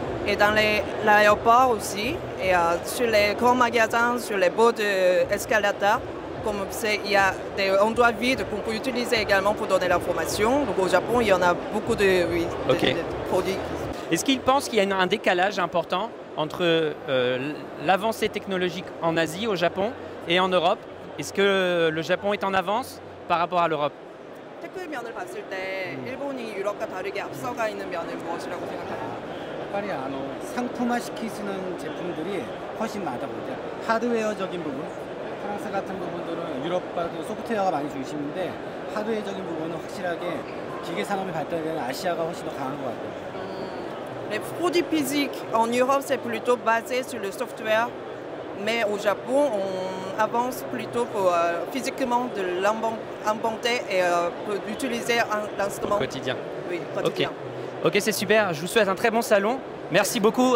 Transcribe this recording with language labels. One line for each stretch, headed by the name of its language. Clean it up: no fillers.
French: Et dans l'aéroport aussi. Et sur les grands magasins, sur les bords d'escalator, comme c'est, il y a des endroits vides qu'on peut utiliser également pour donner l'information. Donc au Japon, il y en a beaucoup de, oui, okay. De produits. Est-ce qu'ils pensent qu'il y a un décalage important entre l'avancée technologique en Asie, au Japon, et en Europe ? Est-ce que le Japon est en avance par rapport à l'Europe ?
Korean: 테크 면을 봤을 때 일본이 유럽과 다르게 앞서가 있는 면을 무엇이라고 생각하세요? 빨리 상품화 시키는 제품들이 훨씬 많다 보죠. 하드웨어적인 부분, 프랑스 같은 부분들은 유럽과도 소프트웨어가 많이 중심인데 하드웨어적인 부분은 확실하게 기계 산업이 발달되는 아시아가 훨씬 더 강한 것 같아요.
French: Les produits physiques en Europe c'est plutôt basé sur le software, mais au Japon on avance plutôt pour physiquement de l'inventer et d'utiliser l'instrument. Au quotidien. Oui, quotidien. Okay. Ok, c'est super. Je vous souhaite un très bon salon. Merci beaucoup.